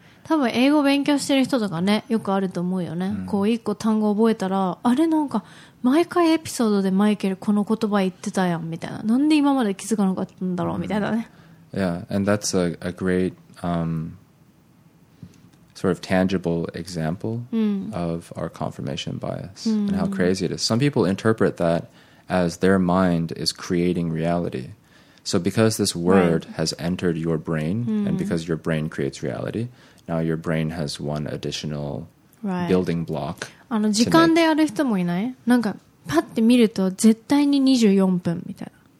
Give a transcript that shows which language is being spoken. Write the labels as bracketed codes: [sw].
[ja] 多分英語勉強してる人とかね、よくあると思うよね。こう一個単語覚えたら、あれなんか毎回エピソードでマイケルこの言葉言ってたやんみたいな。なんで今まで気づかなかったんだろうみたいなね。 [en] Yeah, and that's a great sort of tangible example of our confirmation bias and how crazy it is. Some people interpret that as their mind is creating reality. So because this word has entered your brain and because your brain creates reality, now your brain has one additional building block. [ja] あの時間でやる人もいない？なんかパッて見ると絶対に24分みたいな。